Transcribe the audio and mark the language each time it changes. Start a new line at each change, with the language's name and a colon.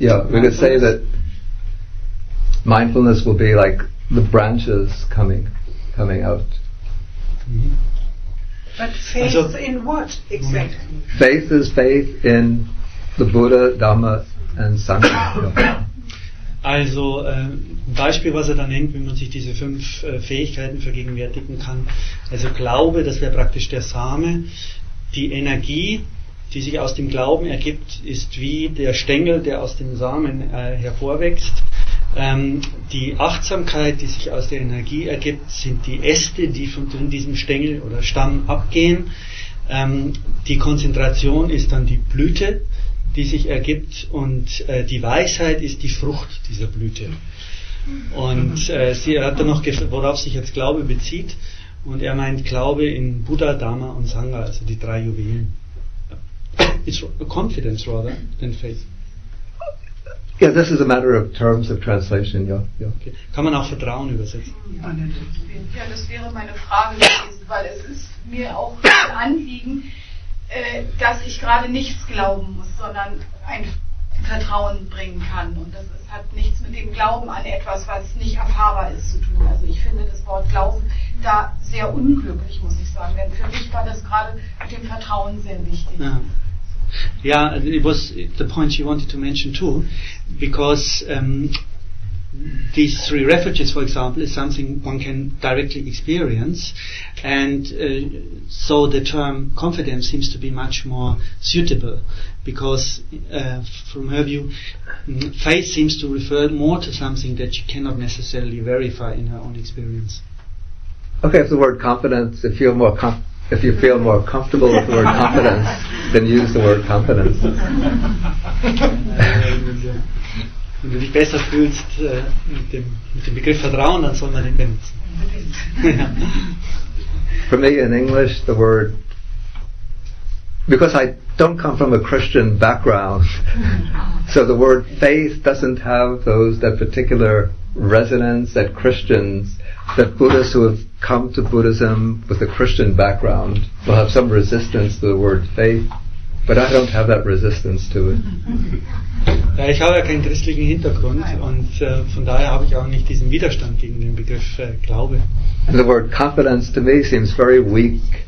English: Yeah, we could say that mindfulness will be like the branches coming out. Mm-hmm. But faith in what exactly? Faith is faith in the Buddha, Dhamma and Sangha.
German: Also ein Beispiel, was er da nennt, wie man sich diese fünf Fähigkeiten vergegenwärtigen kann. Also Glaube, das wäre praktisch der Same. Die Energie, die sich aus dem Glauben ergibt, ist wie der Stängel, der aus dem Samen hervorwächst. Die Achtsamkeit, die sich aus der Energie ergibt, sind die Äste, die von diesem Stängel oder Stamm abgehen. Die Konzentration ist dann die Blüte, die sich ergibt, und die Weisheit ist die Frucht dieser Blüte. Und sie hat dann noch worauf sich jetzt Glaube bezieht, und er meint Glaube in Buddha, Dharma und Sangha, also die drei Juwelen.
English: It's confidence rather than faith. Yeah, this is a matter of terms of translation, yeah. Yeah.
German: Okay. Kann man auch Vertrauen übersetzen? Ja, das wäre meine Frage gewesen, weil es ist mir auch ein Anliegen, dass ich gerade nichts glauben muss, sondern ein Vertrauen bringen kann. Und das hat nichts mit dem Glauben an etwas, was nicht erfahrbar ist, zu tun. Also ich finde das Wort Glauben da sehr unglücklich, muss ich sagen. Denn für mich war das gerade mit dem Vertrauen sehr wichtig. Ja.
English: Yeah, it was the point you wanted to mention too, because these three refuges, for example, is something one can directly experience, and so the term confidence seems to be much more suitable, because from her view, faith seems to refer more to something that you cannot necessarily verify in her own experience. Okay, if the word confidence, if you feel more comfortable with the word confidence, then use the word confidence.
German: Wenn du dich besser fühlst mit dem Begriff Vertrauen, dann soll man den benutzen.
English: For me, in English, the word, because I don't come from a Christian background, so the word faith doesn't have that particular resonance that Christians, that Buddhists who have come to Buddhism with a Christian background will have some resistance to the word faith, but I don't have that resistance to it.
German: Ja, ich habe ja keinen christlichen Hintergrund und von daher habe ich auch nicht diesen Widerstand gegen den Begriff Glaube.
English: And the word confidence to me seems very weak.